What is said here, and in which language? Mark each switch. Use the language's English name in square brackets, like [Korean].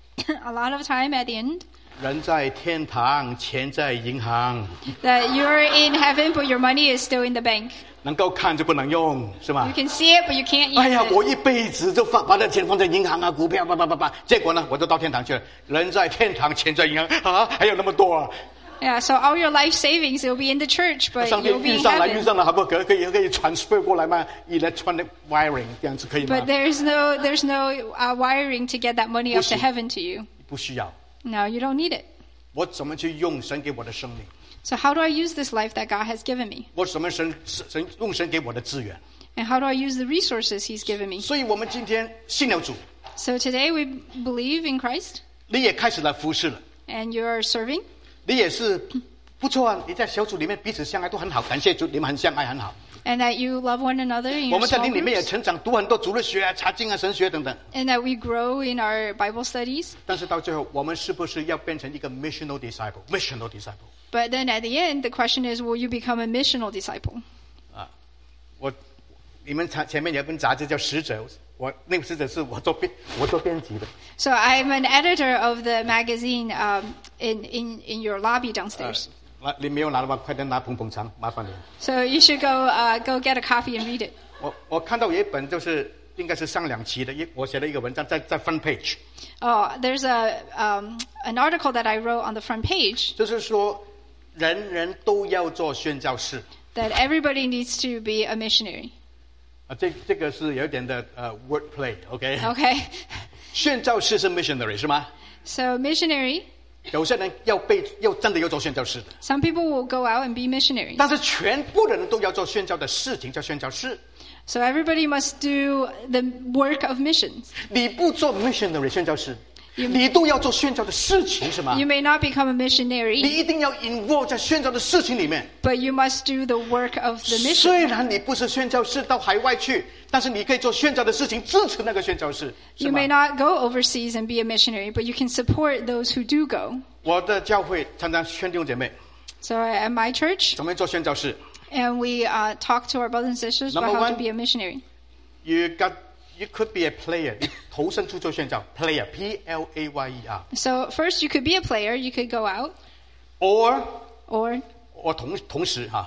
[English] a lot of time at the end [Chinese] 人在天堂钱在银行 [English] that you're in heaven but your money is still in the bank [Chinese] 能够看就不能用是吧 [English] you can see it but you can't use it [Chinese] 哎呀我一辈子就把那钱放在银行啊股票吧结果呢我就到天堂去了人在天堂钱在银行啊还有那么多啊 [English] yeah so all your life savings will be in the church but you'll be in heaven [Chinese] 遇上了遇上了好不好可以 transfer 过来吗 [English] electronic wiring [Chinese] 这样子可以吗 [English] but there's no wiring to get that money up to heaven to you [Chinese] 不需要 [English] no you don't need it [Chinese] 我怎么去用神给我的生命 [English] so how do I use this life that God has given me [Chinese] 我怎么神用神给我的资源 [English] and how do I use the resources he's given me [Chinese] 所以我们今天信了主 [English] so today we believe in Christ [Chinese] 你也开始来服侍了 [English] and you're serving [Chinese] 你也是不错啊！你在小组里面彼此相爱都很好，感谢主，你们很相爱很好。 [English] And that you love one another. [Chinese] 我们在你里面也成长，读很多主日学啊、查经啊、神学等等。 [English] And that we grow in our Bible studies. [Chinese] 但是到最后，我们是不是要变成一个 missional disciple? Missional disciple. [English] But then at the end, the question is, will you become a missional disciple? 啊， [Chinese] 我你们前面有一本杂志叫《使者》。我那个使者是我做编辑的。 [English] So I'm an editor of the magazine, in your lobby downstairs. [Chinese] 你没有拿的话，快点拿捧捧场，麻烦你。 [English] So you should go get a copy and read it. [Chinese] 我看到有一本就是应该是上两期的，我写了一个文章在 front page. [English] Oh, there's an article that I wrote on the front page. [Chinese] 就是说，人人都要做宣教士。 [English] That everybody needs to be a missionary. [Chinese] 这个是有点的 [English] wordplay, okay? Okay. [Chinese] 宣教士是 missionary, 是吗 [English] ?So, missionary. [Chinese] 有些人要被要真的要做宣教士的。 [English] Some people will go out and be missionary. [Chinese] 但是全部的人都要做宣教的事情叫宣教士。 [English] So, everybody must do the work of missions. [Chinese] 你不做 missionary, 宣教士。你都要做宣教的事情是吗 [English] ?You may not become a missionary. [Chinese] 你一定要 involve 在宣教的事情里面。 [English] But you must do the work of the mission. [Chinese] 虽然你不是宣教士到海外去但是你可以做宣教的事情支持那个宣教士。 [English] You may not go overseas and be a missionary, but you can support those who do go. [Chinese] 我的教会常常宣弟兄姐妹。 [English] So at my church, [Chinese] 怎么做宣教士 [English] and we talk to our brothers and sisters about how to be a missionary. You could be a player. [Chinese] 你投身出做宣教 [English] player, P L A Y E R. So first, you could be a player. You could go out. Or [Chinese] 我同时,